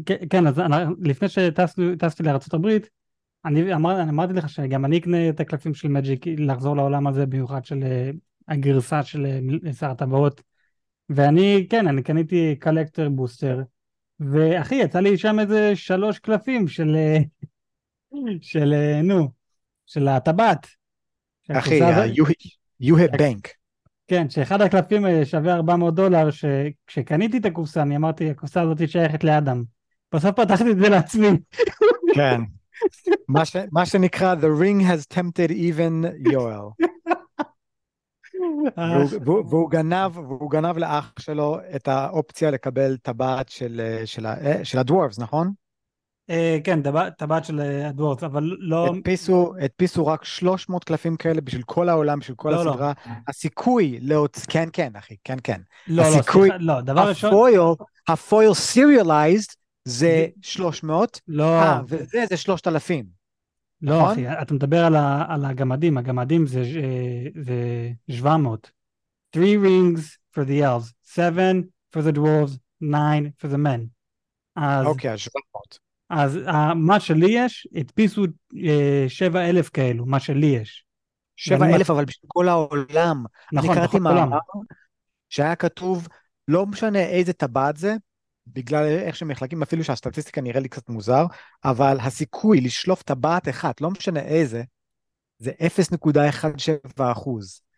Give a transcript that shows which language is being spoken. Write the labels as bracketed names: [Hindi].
[Hebrew] כן, אז לפני שטסתי לארצות הברית, אני אמרתי לך שגם אני אקנה את הקלפים של מג'יק לחזור לעולם הזה, במיוחד של הגרסה של שר הטבעות. ואני, כן, אני קניתי קלקטר בוסטר. ואחי, יצא לי שם איזה 3 קלפים של... של, נו, של הטבעת. אחי, [English] you hit bank. [Hebrew] כן, שאחד הקלפים שווה $400, שכשקניתי את הקופסה, אני אמרתי, הקופסה הזאת שייכת לאדם. בסוף פתחתי את זה לעצמי. כן. מה שנקרא, [English] the ring has tempted even Yoel. [Hebrew] והוא גנב לאח שלו את האופציה לקבל טבעת של הדוורבס, נכון? כן, טבעת של הדוורבס, אבל לא... הדפיסו רק 300 קלפים כאלה בשביל כל העולם, בשביל כל הסדרה. הסיכוי להוציא... כן, כן, אחי, כן, כן. לא, דבר ראשון... הפויל סיריאליזד זה 300. לא. וזה 3,000. לא נכון? אחי, אתה מדבר על הגמדים. הגמדים זה 700. [English] 3 rings for the elves, 7 for the dwarves, 9 for the men. [Hebrew] אוקיי, אז 700. אז מה שלי יש, הדפיסו 7,000 כאלו, מה שלי יש. 7,000, אבל בשביל כל העולם. אני נכון, קראתי בכל עולם. מאמר שהיה כתוב, לא משנה איזה טבעת זה, בגלל איך שמחלקים, אפילו שהסטטיסטיקה נראה לי קצת מוזר, אבל הסיכוי לשלוף טבעת אחת, לא משנה איזה, זה 0.17%.